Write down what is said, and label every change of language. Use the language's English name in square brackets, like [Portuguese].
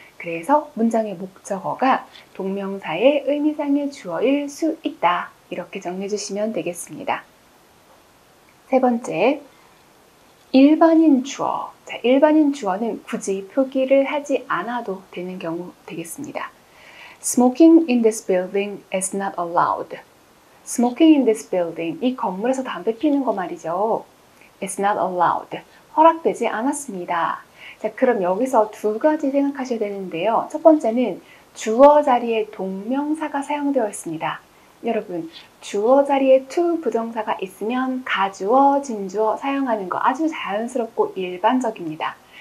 [Korean] 그래서 문장의 목적어가 동명사의 의미상의 주어일 수 있다. 이렇게 정리해 주시면 되겠습니다. 세 번째, 일반인 주어. 자, 일반인 주어는 굳이 표기를 하지 않아도 되는 경우 되겠습니다. [English] Smoking in this building is not allowed. Smoking in this building. [Korean] 이 건물에서 담배 피는 거 말이죠. [English] It's not allowed. [Korean] 허락되지 않았습니다. 자, 그럼 여기서 두 가지 생각하셔야 되는데요. 첫 번째는 주어 자리에 동명사가 사용되어 있습니다. 여러분, 주어 자리에 to 부정사가 있으면 가주어, 진주어 사용하는 거 아주 자연스럽고 일반적입니다.